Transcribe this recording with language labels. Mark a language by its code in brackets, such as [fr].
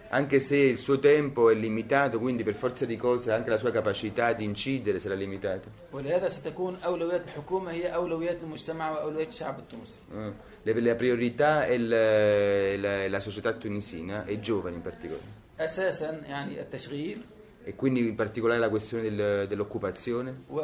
[it] Anche se il suo tempo è limitato, quindi per forza di cose anche la sua capacità di incidere sarà limitata. [ar] ولهذا ستكون أولويات الحكومة هي أولويات المجتمع وأولويات الشعب التونسي. [it] La priorità è la società tunisina e giovani in particolare. [ar] أساسا يعني التشغيل. [it] E quindi in particolare la questione dell'occupazione